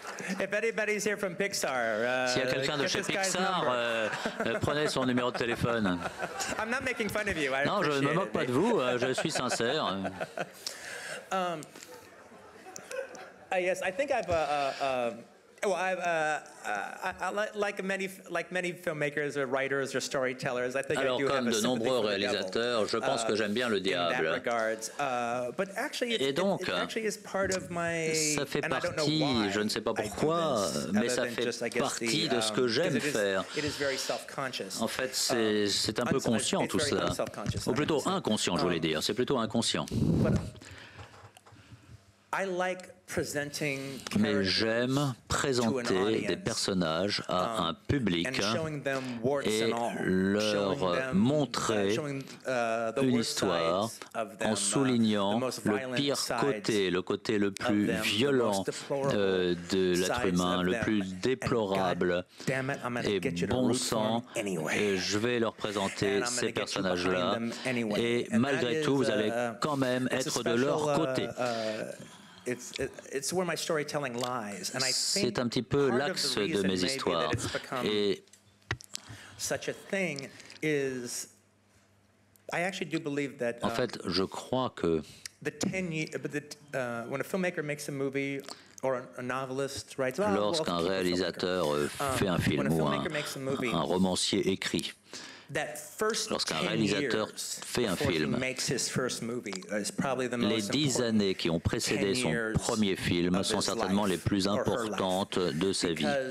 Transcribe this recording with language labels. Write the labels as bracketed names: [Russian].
[English] If anybody's here from Pixar, [French] s'il y a quelqu'un de chez Pixar, prenez son numéro de téléphone. [English] I'm not making fun of you. I [French] non, je ne me moque pas de vous, je suis sincère. [English] Yes, I think I've Well, like many filmmakers or writers or storytellers, I think [French] alors, [English] I do [French] comme [English] have [French] de nombreux réalisateurs, [English] devil, [French] je pense que j'aime bien le diable. [English] But actually, [French] et donc, ça fait partie, je ne sais pas pourquoi, mais ça fait partie de ce que j'aime faire. En fait, c'est un peu conscient tout cela. Ou plutôt inconscient, je voulais dire. C'est plutôt inconscient. [English] I like presenting [French] mais j'aime présenter des personnages à un public et leur montrer une histoire en soulignant le pire côté, le côté le plus violent de l'être humain, le plus déplorable. Et bon sang, je vais leur présenter ces personnages-là et malgré tout, vous allez quand même être de leur côté. [English] It's where my storytelling lies, and I think [French] c'est un petit peu l'axe de mes histoires. Et [English] such a thing is, I actually do believe that. [French] En fait, je crois que [English] when a filmmaker makes a movie or a novelist writes, [French] lorsqu'un réalisateur fait un film ou un romancier écrit. [English] That first [French] lorsqu'un réalisateur fait un film, les 10 années qui ont précédé son premier film sont certainement les plus importantes de sa vie.